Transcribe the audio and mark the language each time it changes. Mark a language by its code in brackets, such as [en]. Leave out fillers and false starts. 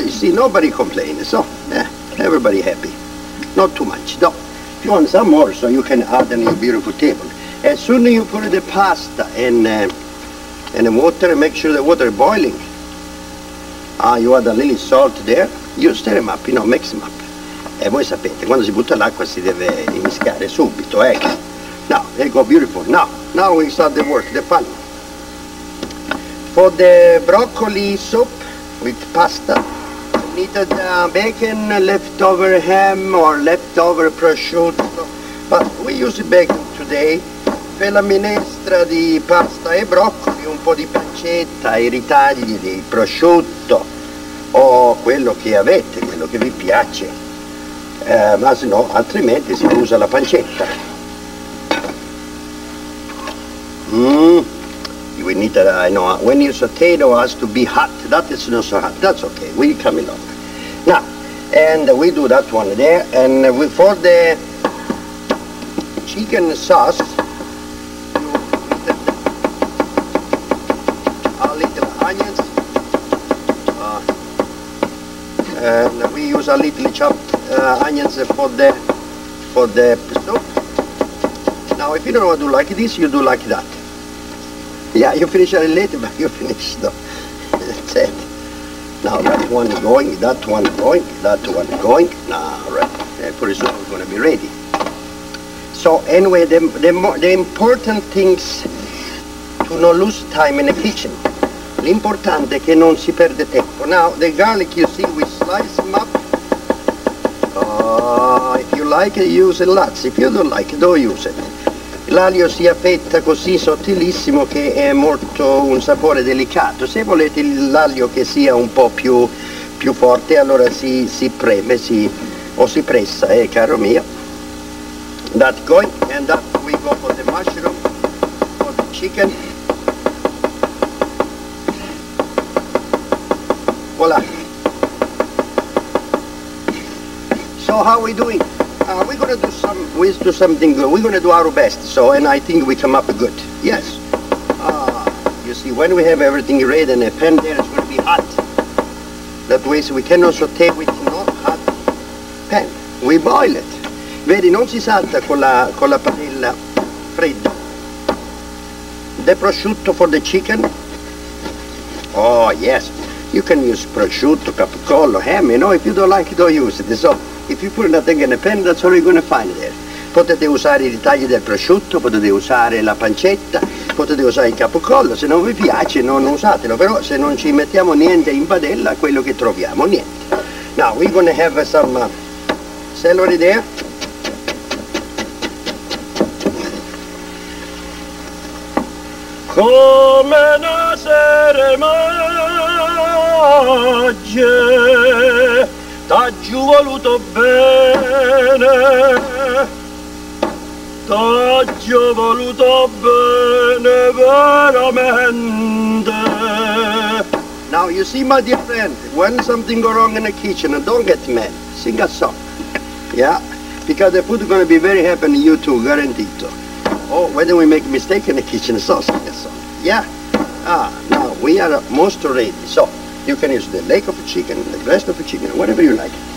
[en] You see, nobody complains, so, everybody happy. Not too much, no. You want some more so you can add on your beautiful table. As soon as you put the pasta in the water, make sure the water is boiling. You add a little salt there, you stir them up, you know, mix them up. [it] E voi sapete, quando si butta l'acqua si deve innescare subito, ecco. [en] Now, there you go, beautiful. Now we start the work, the fun. For the broccoli soup with pasta, needed bacon, leftover ham or leftover prosciutto, but we use bacon today. [it] Per la minestra di pasta e broccoli, un po' di pancetta, i ritagli di prosciutto o quello che avete, quello che vi piace, ma se no altrimenti si usa la pancetta. [en] We need that, I know, when your potato has to be hot, that is not so hot, that's okay, we come along. Now, and we do that one there, and we, for the chicken sauce, you need a little onions, and we use a little chopped onions for the soup. Now, if you don't want to do like this, you do like that. Yeah, you finish a little late, but you finish though. That's it. Now that one going. Now, right. For the soup, we're going to be ready. So anyway, the important things to not lose time in the kitchen. [it] L'importante è che non si perde tempo. [en] Now, the garlic, you see, we slice them up. If you like it, use it lots. If you don't like it, don't use it. [it] L'aglio si affetta così sottilissimo che è molto un sapore delicato. Se volete l'aglio che sia un po' più forte, allora si preme, o si pressa, caro mio. [en] That going, and up we go for the mushroom, for the chicken. Voilà. So how we doing? We're gonna do something good. We're gonna do our best, so, and I think we come up good. Yes. You see, when we have everything ready and the pan there is gonna be hot. That way, we cannot saute with no hot pan. We boil it. [it] Vedi, non si salta con la padella fredda. [en] The prosciutto for the chicken. Oh, yes. You can use prosciutto, capicolo, ham, you know, if you don't like it, don't use it. So, if you put nothing in a pan, that's all you're going to find there. [it] potete usare i ritagli del prosciutto, potete usare la pancetta, potete usare il capocollo, se non vi piace non usatelo, però se non ci mettiamo niente in padella, quello che troviamo, niente. [en] Now we're gonna have some celery there. [nap] Come nascere magie, t'aggiù voluto bene, t'aggiù voluto bene veramente. [en] Now you see my dear friend, when something go wrong in the kitchen, don't get mad, sing a song, yeah? Because the food is gonna be very happy in you too, garantito. Oh, why don't we make a mistake in the kitchen, so sing a song. Yeah, now we are most ready. So you can use the leg of a chicken, the breast of a chicken, whatever you like.